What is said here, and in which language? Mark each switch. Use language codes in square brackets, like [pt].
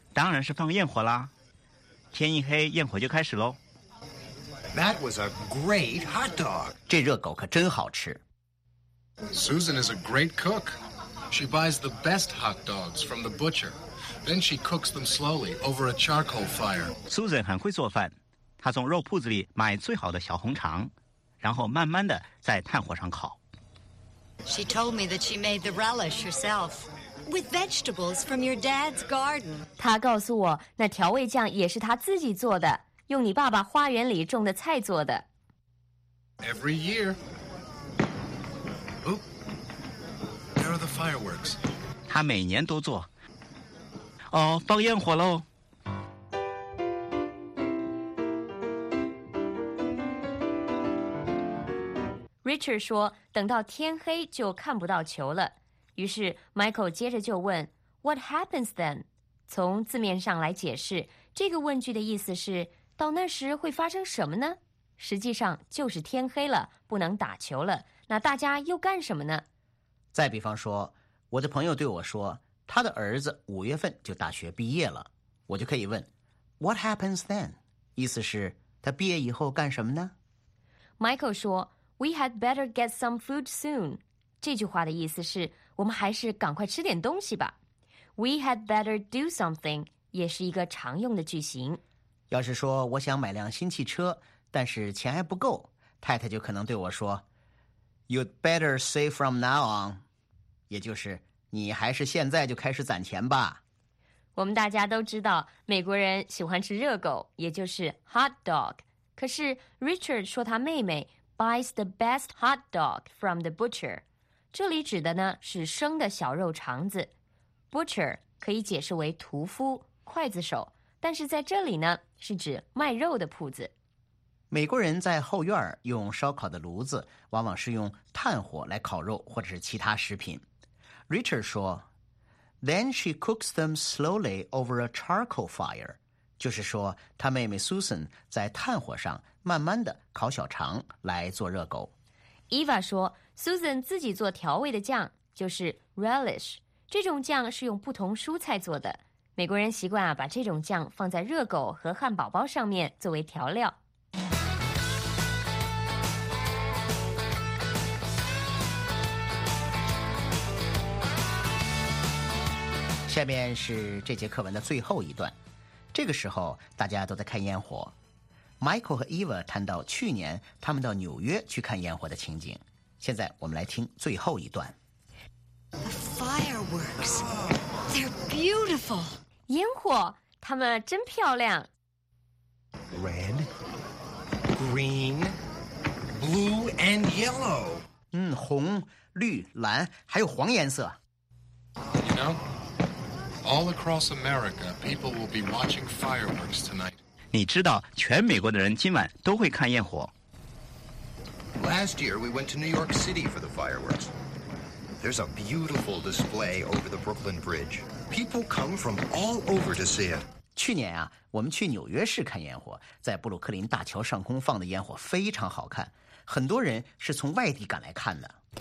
[zh] 当然是放焰火啦。天一黑焰火就开始咯。 [en] That was a great hot dog. [zh] 这热狗可真好吃。 [en] Susan is a great cook. She buys the best hot dogs from the butcher. Then she cooks them slowly over a charcoal fire. [zh] Susan 很会做饭，她从肉铺子里买最好的小红肠，然后慢慢的在炭火上烤。 [en] She told me that she made the relish herself. With vegetables from your dad's garden. [zh] 他告诉我，那调味酱也是他自己做的，用你爸爸花园里种的菜做的。 [en] Every year. Oh, there are the fireworks. [zh] 他每年都做。哦，放焰火喽。 Richard 说，等到天黑就看不到球了。于是 Michael 接着就问 [en] What happens then? [zh] 从字面上来解释，这个问句的意思是到那时会发生什么呢？实际上就是天黑了，不能打球了，那大家又干什么呢？再比方说，我的朋友对我说，他的儿子五月份就大学毕业了，我就可以问 [en] What happens then? [zh] 意思是他毕业以后干什么呢？ Michael 说 [en] We had better get some food soon. [zh] 这句话的意思是我们还是赶快吃点东西吧。 [en] We had better do something [zh] 也是一个常用的句型。要是说我想买辆新汽车，但是钱还不够，太太就可能对我说 [en] You'd better save from now on. [zh] 也就是你还是现在就开始攒钱吧。我们大家都知道美国人喜欢吃热狗，也就是 hot dog。可是 Richard 说他妹妹 [en] buys the best hot dog from the butcher， [zh] 这里指的呢是生的小肉肠子。 butcher 可以解释为屠夫、刽子手，但是在这里呢是指卖肉的铺子。美国人在后院用烧烤的炉子往往是用炭火来烤肉或者是其他食品。 Richard 说 [en] Then she cooks them slowly over a charcoal fire. [zh] 就是说她妹妹 Susan 在炭火上慢慢地烤小肠来做热狗。 Eva 说 Susan 自己做调味的酱，就是 relish。这种酱是用不同蔬菜做的，美国人习惯、把这种酱放在热狗和汉堡包上面作为调料。下面是这节课文的最后一段，这个时候大家都在看烟火。 Michael 和 Eva 谈到去年他们到纽约去看烟火的情景，现在我们来听最后一段。 [en] The fireworks, they're beautiful. [zh] 烟火，它们真漂亮。 [en] Red, green, blue and yellow. [zh] 红、绿、蓝，还有黄颜色。 [en] You know,All across America, people will be watching fireworks tonight. [zh] 你知道，全美国的人今晚都会看烟火。 [en] Last year, we went to New York City for the fireworks. There's a beautiful display over the Brooklyn Bridge. People come from all over to see it. [zh] 去年啊，我们去纽约市看烟火，在布鲁克林大桥上空放的烟火非常好看，很多人是从外地赶来看的。